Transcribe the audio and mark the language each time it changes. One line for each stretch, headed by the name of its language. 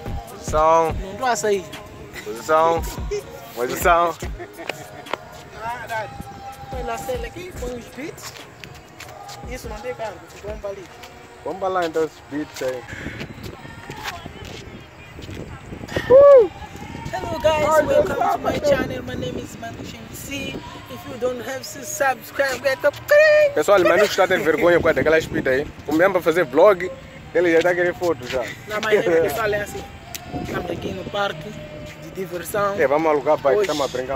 Portuguese: Posição. Não dá essa aí. Posição. Posição. Põe na cela aqui, põe os beats. Isso, não tem cargo. Bomba ali. Bomba lá então os beats aí.
English: Hello guys, welcome to my channel. My name is Manush MC. If you don't have to subscribe, get up.
Portuguese: Pessoal, Manush está tendo vergonha com aquela speed aí. O mesmo para fazer vlog. Ele já está querendo foto já. Não, mas ele fala assim. Estamos aqui no parque de diversão. É, vamos alugar bike, hoje, estamos a brincar